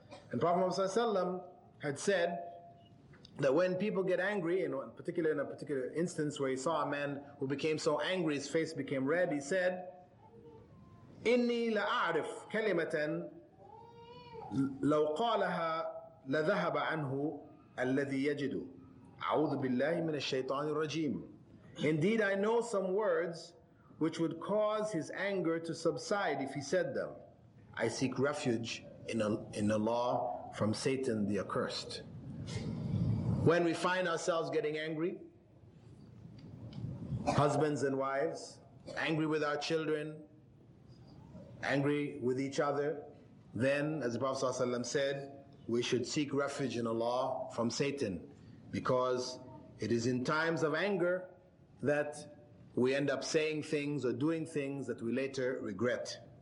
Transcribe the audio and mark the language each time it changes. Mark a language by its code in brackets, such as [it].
[en] And Prophet Muhammad Sallallahu Alaihi Wasallam had said that when people get angry, and particularly in a particular instance where he saw a man who became so angry, his face became red, he said, [ar] إني لأعرف كلمة لو قالها لذهب عنه الذي يجد. أعوذ بالله من الشيطان الرجيم. [en] Indeed, I know some words which would cause his anger to subside if he said them. I seek refuge in Allah from Satan the accursed. When we find ourselves getting angry, husbands and wives, angry with our children, angry with each other, then, as the Prophet ﷺ said, we should seek refuge in Allah from Satan, because it is in times of anger that we end up saying things or doing things that we later regret.